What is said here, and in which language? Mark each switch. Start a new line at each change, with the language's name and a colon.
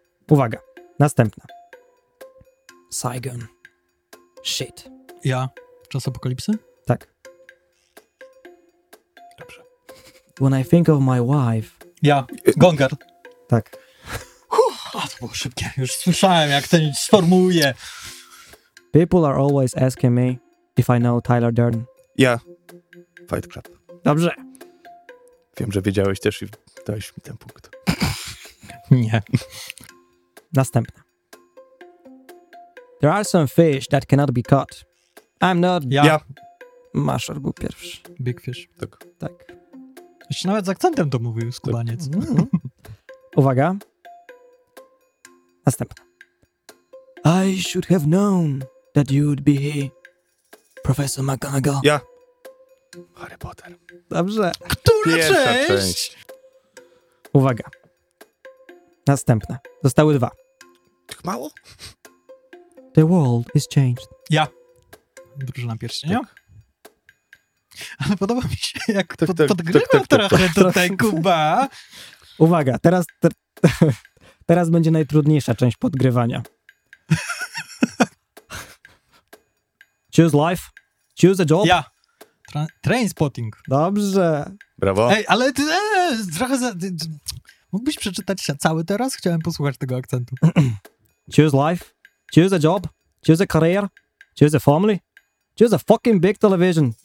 Polish: Uwaga, następna. Saigon. Shit. Ja? Czas apokalipsy? Tak. Dobrze.
English: When I think of my wife...
Polish: Ja. Gongar. Tak. Uff, a to było szybkie. Już słyszałem, jak ten sformułuje.
English: People are always asking me if I know Tyler Durden.
Polish: Ja. Fight Club. Dobrze. Wiem, że wiedziałeś też i dałeś mi ten punkt. Nie. Następne.
English: There are some fish that cannot be caught. I'm not...
Polish: Ja. Maszor był pierwszy.
English: Big fish.
Polish: Tak. Tak. Jeszcze nawet z akcentem to mówił skubaniec. Tak. Mm. Uwaga. Następne.
English: I should have known that you'd be here, Professor McGonagall.
Polish: Ja. Harry Potter. Dobrze. Która pierwsza część? Uwaga. Następne. Zostały dwa. Tych mało?
English: The world is changed.
Polish: Ja. Drużyna pierścień. Tak. Ale podoba mi się, jak tak, podgrywa trochę tutaj. Kuba. Uwaga, teraz będzie najtrudniejsza część podgrywania.
English: Choose life. Choose a job.
Polish: Ja. Trainspotting. Dobrze. Brawo. Ej, ale ty trochę za... Mógłbyś przeczytać się cały teraz? Chciałem posłuchać tego akcentu.
English: Choose life, choose a job, choose a career, choose a family, choose a fucking big television.